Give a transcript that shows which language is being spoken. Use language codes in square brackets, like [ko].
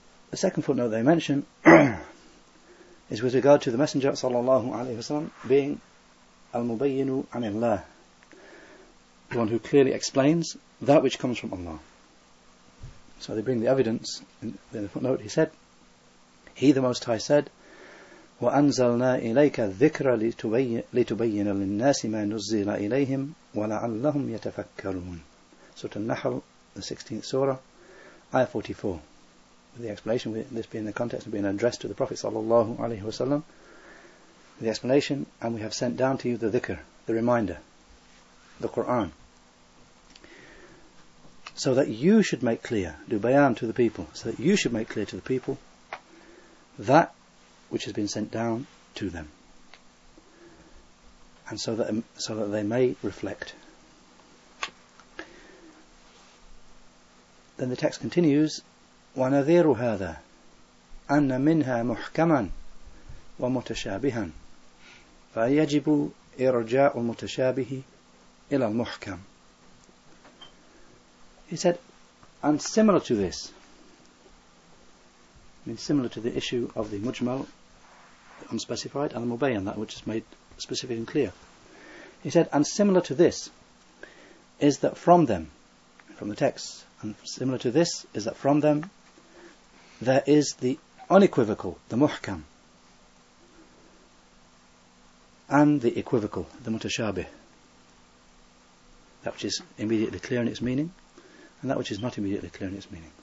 [en] The second footnote they mention is with regard to the Messenger sallallahu alaihi wasallam being al-mubayyinu anillah, the one who clearly explains that which comes from Allah. So they bring the evidence in the footnote. He said, he the Most High said, [ar] وَأَنْزَلْنَا إِلَيْكَ الذِّكْرَ لِتُبَيِّنَ لِلنَّاسِ مَا نُزِّلَ إِلَيْهِمْ وَلَعَلَّهُمْ يَتَفَكَّرُونَ. [en] Surah An-Nahl, the 16th surah, ayah 44. The explanation, this being the context of being addressed to the Prophet sallallahu alaihi wasallam, the explanation, and we have sent down to you the dhikr, the reminder, the Qur'an, so that you should make clear, do bayan to the people, so that you should make clear to the people that which has been sent down to them, and so that they may reflect. Then the text continues, [ar] وَنَذِيرُ هَذَا أَنَّ مِنْهَا مُحْكَمًا وَمُتَشَابِهًا فَيَجِبُ إِرْجَاءُ الْمُتَشَابِهِ إِلَى الْمُحْكَمِ. [en] He said, and similar to this, I mean similar to the issue of the mujmal, the unspecified, and the mubayyan, that which is made specific and clear. He said, and similar to this is that from them, from the texts, and similar to this is that from them there is the unequivocal, the muhkam, and the equivocal, the mutashabih, that which is immediately clear in its meaning, and that which is not immediately clear in its meaning.